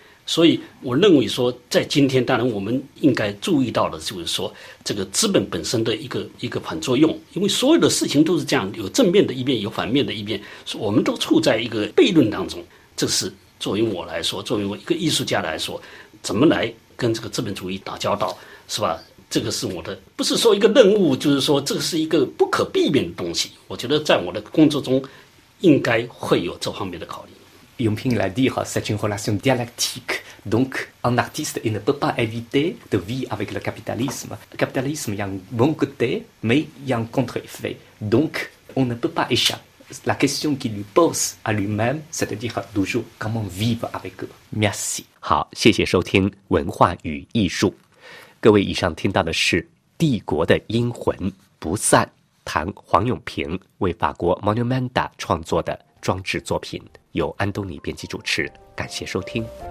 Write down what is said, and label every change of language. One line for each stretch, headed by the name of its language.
Chinese: 所以我认为说在今天，当然我们应该注意到的就是说这个资本本身的一个反作用，因为所有的事情都是这样，有正面的一面，有反面的一面，我们都处在一个悖论当中。这是作为我来说，作为我一个艺术家来说，怎么来跟这个资本主义打交道，是吧？这个是我的，不是说一个任务，就是说这是一个不可避免的东西。我觉得在我的工作中应该会有这方面的考虑。用平来地哈，是一个
French: relation dialectique， donc un artiste ne peut pas éviter de vivre avec le capitalisme. Capitalisme y a un bon côté, mais y a un contre-effet. Donc on ne peut pas échapper. La question qu'il lui pose à lui-même, c'est-à-dire toujours comment vivre avec eux. Merci.
Chinese: 好，谢谢收听《文化与艺术》。各位，以上听到的是《帝国的阴魂不散》，谈黄永平为法国 Monumenta 创作的装置作品，由安东尼编辑主持。感谢收听。